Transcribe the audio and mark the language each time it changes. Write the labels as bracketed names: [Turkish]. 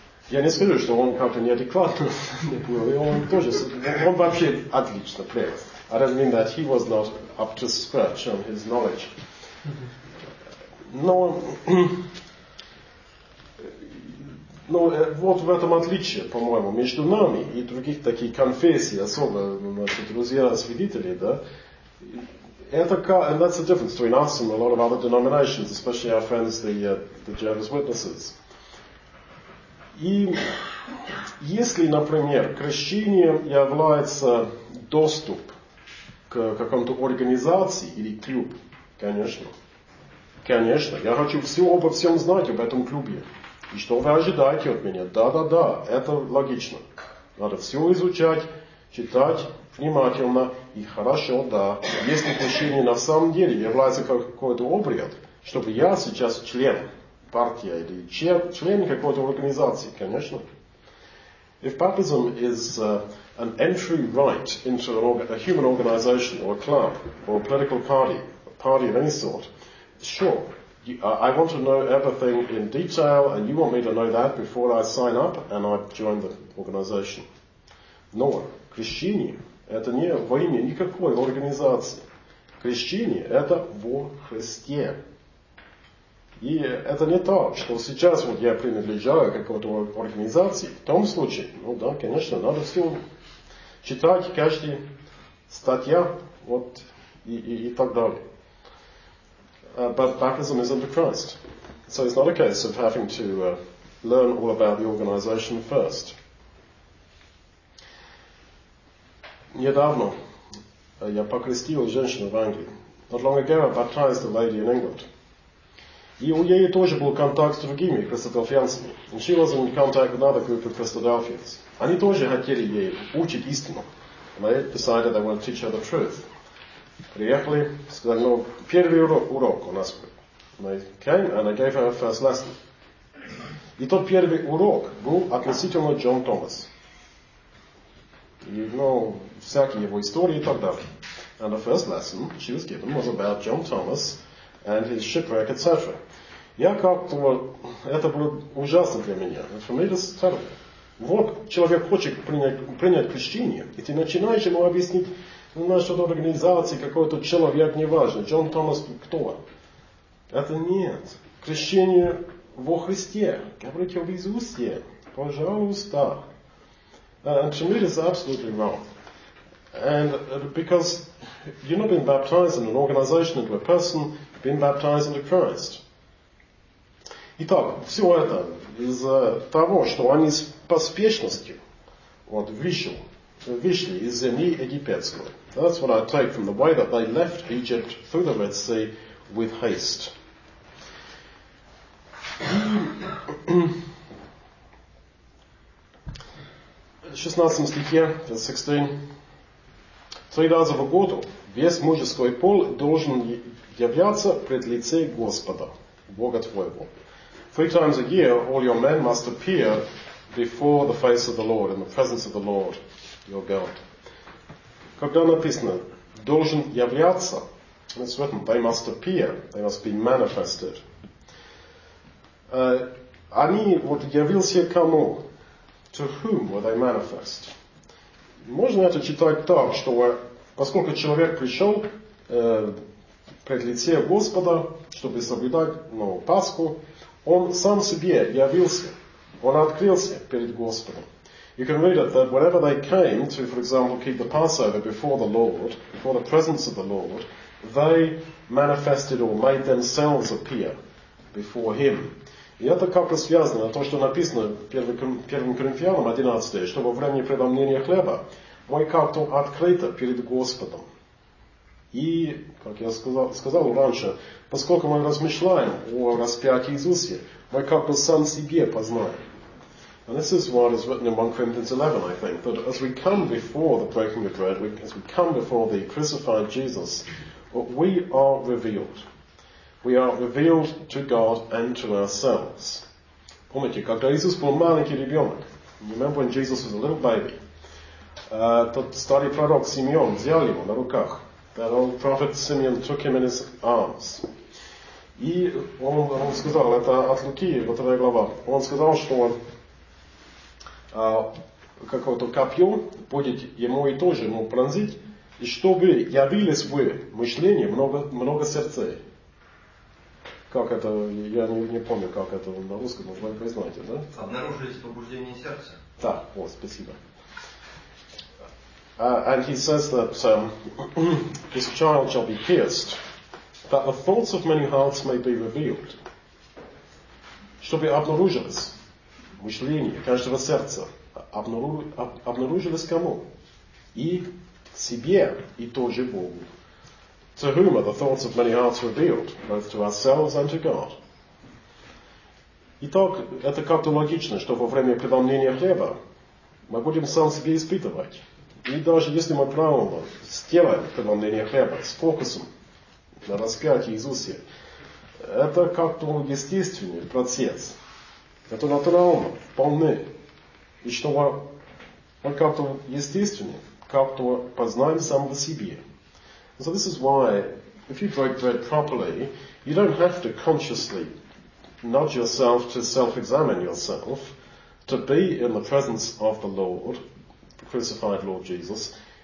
[Russian] Я не скажу, что он как-то неадекватно был, и он тоже, он вообще отлично [English] played. I don't mean that he was not up to scratch on his knowledge. [Russian] Но, но вот в этом отличие, по-моему, между нами и других таких конфессий, особо, значит, друзья-свидетели, да, это, [English] and that's the difference between us and a lot of other denominations, especially our friends, the Jehovah's Witnesses. [Russian] И если, например, крещение является доступ к какому-то организации или клуб, конечно, конечно, я хочу все обо всем знать об этом клубе. И что вы ожидаете от меня? Да-да-да, это логично. Надо все изучать, читать внимательно и хорошо, да. Если крещение на самом деле является какой-то обряд, чтобы я сейчас член, партия или член какой-то организации, конечно. [English] If baptism is an entry right into a human organization or a club or a political party, a party of any sort, sure, I want to know everything in detail and you want me to know that before I sign up and I join the organization. [Russian] Но крещение – это не во имя никакой организации. Крещение – это во Христе. И это не то, что сейчас вот я принадлежаю какой-то организации. В том случае, ну да, конечно, надо все читать, каждая статья, вот, и так далее. [English] But baptism is under Christ. So it's not a case of having to learn all about the organization first. [Russian] Недавно я покрестил женщину в Англии. [English] Not long ago I baptized a lady in England. [Russian] И у нее тоже был контакт с другими христодельфианцами. [English] And she was in contact with another group of Christadelphians. [Russian] Они тоже хотели ей учить истину. [English] And they decided they wanted to teach her the truth. [Russian] Приехали, сказали, ну, первый урок у нас был. [English] And they came and I gave her her first lesson. [Russian] И тот первый урок был относительно Джон Томас. И, ну, всякие его истории и так далее. [English] And the first lesson she was given was about Джон Томас and his shipwreck, etc. [Russian] Я как-то, это было ужасно для меня. [English] For me, this is terrible. [Russian] Вот человек хочет принять крещение, и ты начинаешь ему объяснить, ну, что-то организации, какой-то человек, неважно, Джон Томас, кто. Это нет. Крещение во Христе. Говорите об Иисусе. Пожалуйста. [English] And for me, this is absolutely wrong. And because you're not being baptized in an organization into a person, been baptized into Christ. [Russian] Итак, все это из-за того, что они с поспешностью вот вышли из земли египетской. [English] That's what I take from the way that they left Egypt through the Red Sea with haste. [Russian] В 16 стихе, 16, три раза в году весь мужеской пол должен являться пред лице Господа, Бога твоего. [English] Three times a year all your men must appear before the face of the Lord, in the presence of the Lord, your God. [Russian] Когда написано, должен являться, [English] and it's written, they must appear, they must be manifested. [Russian] Они вот явился кому? [English] To whom were they manifest? [Russian] Можно это читать так, что поскольку человек пришел пред лице Господа, чтобы соблюдать, ну, Пасху, он сам себе явился, он открылся перед Господом. [English] You can read it that whenever they came to, for example, keep the Passover before the Lord, before the presence of the Lord, they manifested or made themselves appear before Him. [Russian] И это как-то связано с то, что написано в 1 Коринфянам 11, что во время преломления хлеба мы как-то открыты перед Господом. И, как я сказал раньше, поскольку мы размышляем о распятии Иисуса, мы как бы сам себе познаем. [English] And this is what is written in 1 Corinthians 11, I think, that as we come before the breaking of bread, as we come before the crucified Jesus, we are revealed. We are revealed to God and to ourselves. [Russian] Помните, когда Иисус был маленький ребенок, [English] remember when Jesus was a little baby, [Russian] тот старый пророк Симеон взял его на руках. [English] That old prophet Simeon took him in his arms. [Russian] И он сказал, это от Луки, вот эта глава, он сказал, что он какое-то копье будет ему и тоже ему пронзить, и чтобы явились вы мышление много сердцей. Как это, я не помню, как это на русском, может быть, вы знаете, да? Обнаружились побуждения сердца. Да, о, спасибо. [English] And he says that this child shall be pierced, that the thoughts of many hearts may be revealed. [Russian] Чтобы обнаружились мышление каждого сердца. Обнаружились кому? И к себе, и тоже Богу. [English] To whom are the thoughts of many hearts revealed, both to ourselves and to God? [Russian] Итак, это как-то логично, что во время преломления хлеба мы будем сам себе испытывать. И даже если мы правильно сделаем преломление хлеба с фокусом на распятии Иисуса, это как-то естественный процесс. Это натурально, вполне. И что мы как-то естественно, как-то познаем самого себя. [English] So this is why, if you break bread properly, you don't have to consciously nudge yourself to self-examine yourself, to be in the presence of the Lord, the crucified Lord Jesus.